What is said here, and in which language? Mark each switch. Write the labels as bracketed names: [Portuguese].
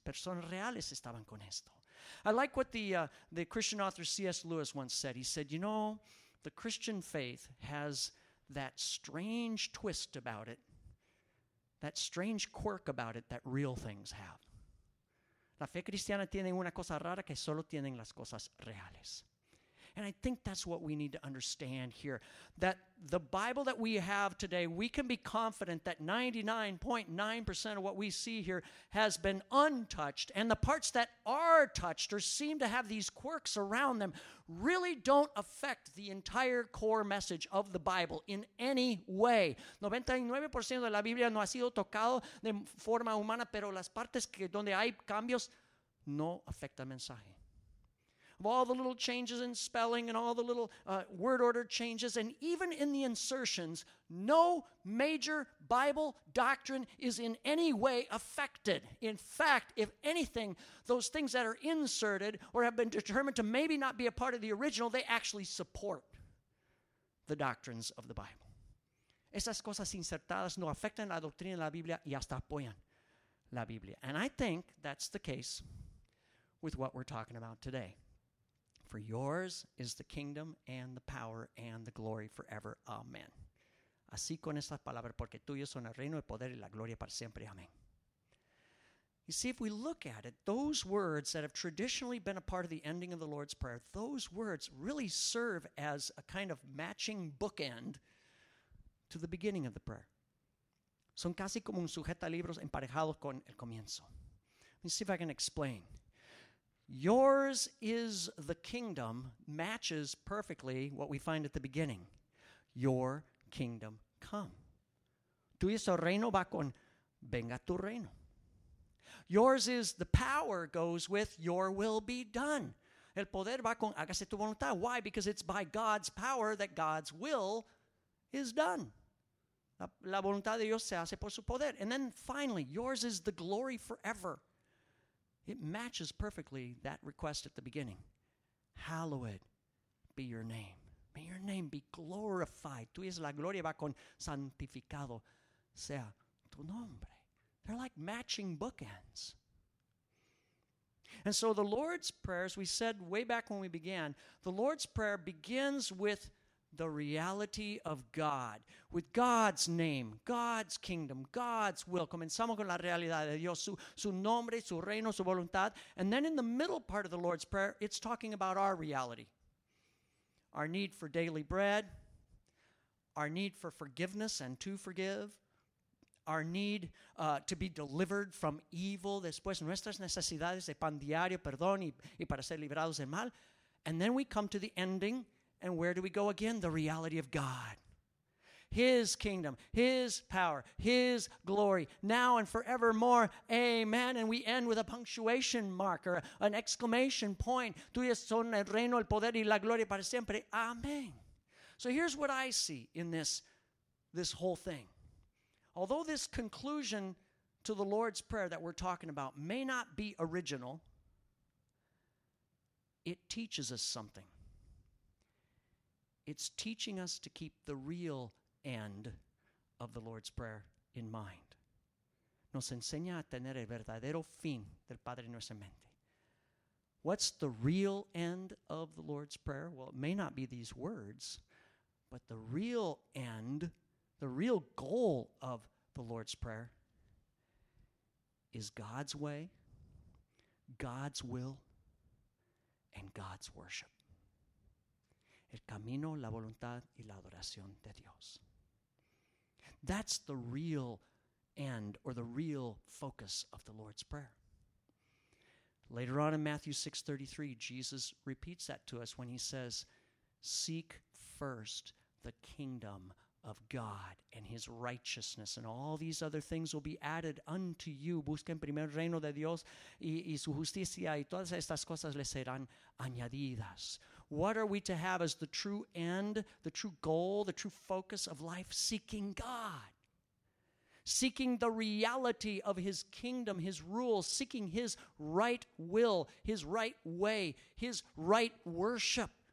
[Spanish] Personas reales estaban con esto. [English] I like what the Christian author C.S. Lewis once said. He said, you know, the Christian faith has that strange twist about it, that strange quirk about it that real things have. [Spanish] La fe cristiana tiene una cosa rara que solo tienen las cosas reales. [English] And I think that's what we need to understand here, that the Bible that we have today, we can be confident that 99.9% of what we see here has been untouched, and the parts that are touched or seem to have these quirks around them really don't affect the entire core message of the Bible in any way. [Spanish] 99% de la Biblia no ha sido tocado de forma humana, pero las partes que donde hay cambios no afecta el mensaje. [English] Of all the little changes in spelling and all the little word order changes, and even in the insertions, no major Bible doctrine is in any way affected. In fact, if anything, those things that are inserted or have been determined to maybe not be a part of the original, they actually support the doctrines of the Bible. [Spanish] Esas cosas insertadas no afectan la doctrina de la Biblia y hasta apoyan la Biblia. [English] And I think that's the case with what we're talking about today. For yours is the kingdom and the power and the glory forever. Amen. [Spanish] Así con estas palabras, porque tuyo son el reino, el poder y la gloria para siempre. Amen. [English] You see, if we look at it, those words that have traditionally been a part of the ending of the Lord's Prayer, those words really serve as a kind of matching bookend to the beginning of the prayer. [Spanish] Son casi como un sujeta libros emparejados con el comienzo. [English] Let me see if I can explain. Yours is the kingdom matches perfectly what we find at the beginning. Your kingdom come. [Spanish] Tuyo es el reino va con venga tu reino. [English] Yours is the power goes with your will be done. [Spanish] El poder va con hágase tu voluntad. [English] Why? Because it's by God's power that God's will is done. [Spanish] La voluntad de Dios se hace por su poder. [English] And then finally, yours is the glory forever. It matches perfectly that request at the beginning. Hallowed be your name. May your name be glorified. [Spanish] Tú es la gloria va con santificado sea tu nombre. [English] They're like matching bookends. And so the Lord's Prayer, as we said way back when we began, the Lord's Prayer begins with the reality of God, with God's name, God's kingdom, God's will. [Spanish] Comenzamos con la realidad de Dios, su nombre, su reino, su voluntad. [English] And then in the middle part of the Lord's Prayer, it's talking about our reality, our need for daily bread, our need for forgiveness and to forgive, our need to be delivered from evil. [Spanish] Después, nuestras necesidades de pan diario, perdón, y para ser librados del mal. [English] And then we come to the ending. And where do we go again? The reality of God. His kingdom, his power, his glory, now and forevermore. Amen. And we end with a punctuation mark or an exclamation point. [Spanish] Tuyo son el reino, el poder y la gloria para siempre. Amen. [English] So here's what I see in this whole thing. Although this conclusion to the Lord's Prayer that we're talking about may not be original, it teaches us something. It's teaching us to keep the real end of the Lord's Prayer in mind. [Spanish] Nos enseña a tener el verdadero fin del Padre nuestra mente. [English] What's the real end of the Lord's Prayer? Well, it may not be these words, but the real end, the real goal of the Lord's Prayer is God's way, God's will, and God's worship. [Spanish] El camino, la voluntad, y la adoración de Dios. [English] That's the real end or the real focus of the Lord's Prayer. Later on in Matthew 6:33, Jesus repeats that to us when he says, seek first the kingdom of God and his righteousness, and all these other things will be added unto you. [Spanish] Busquen primero el reino de Dios y su justicia, y todas estas cosas les serán añadidas. [English] What are we to have as the true end, the true goal, the true focus of life? Seeking God. Seeking the reality of his kingdom, his rule. Seeking his right will, his right way, his right worship.